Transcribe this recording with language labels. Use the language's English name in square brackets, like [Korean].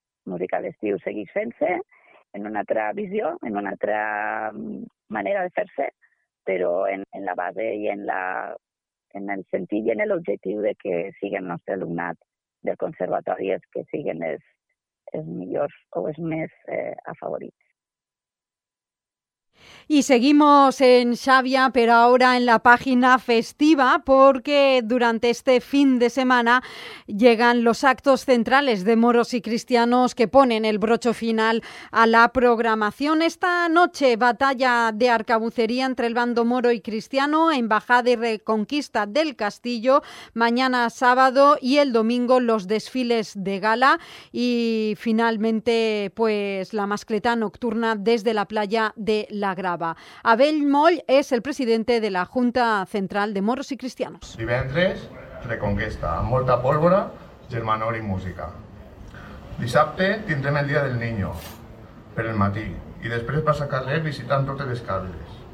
[Catalan] Musical Estiu segueix fent-se en una altra visió, en una altra manera de fer-se, però en la base i en el sentit i en l'objectiu de que siguin el nostre alumnat del conservatori els que siguin els millors o els més afavorits. [Spanish] Y seguimos en Xavia, pero ahora en la página festiva, porque durante este fin de semana llegan los actos centrales de Moros y Cristianos que ponen el broche final a la programación. Esta noche, batalla de arcabucería entre el bando moro y cristiano, embajada y reconquista del castillo. Mañana sábado y el domingo los desfiles de gala y finalmente pues la mascletà nocturna desde la playa de la Grava. [Catalan] Abel Moll és el president de la Junta Central de Moros i Cristianos. Divendres, Reconquesta, amb molta pólvora, germanor i música. Dissabte tindrem el Dia del Niño, per el matí, i després passa a carrer visitant totes les cables.